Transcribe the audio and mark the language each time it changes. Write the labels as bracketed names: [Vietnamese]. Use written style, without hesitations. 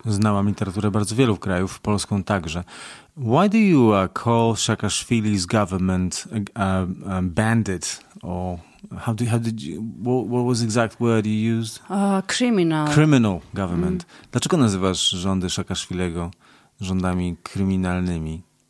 [Polish] Znałam literaturę bardzo wielu krajów, polską także. [English] Why do you call Saakashvili's government a bandit, or what was the exact word you used? Criminal. Criminal government. Mm. [Polish] Dlaczego nazywasz rządy Saakaszwilego rządami kryminalnymi?